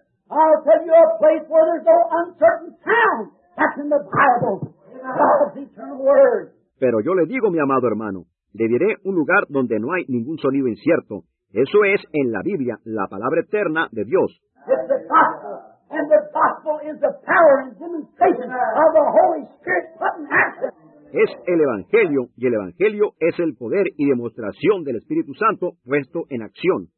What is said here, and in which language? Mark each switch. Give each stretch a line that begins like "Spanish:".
English: I'll tell you a place where there's no uncertain sound. That's in the Bible. God's eternal word.
Spanish: Pero yo le digo, mi amado hermano, le diré un lugar donde no hay ningún sonido incierto. Eso es en la Biblia, la palabra eterna de Dios.
English: It's the gospel. And the gospel is the power and demonstration of the Holy Spirit put in action.
Spanish: Es el Evangelio, y el Evangelio es el poder y demostración del Espíritu Santo puesto en acción.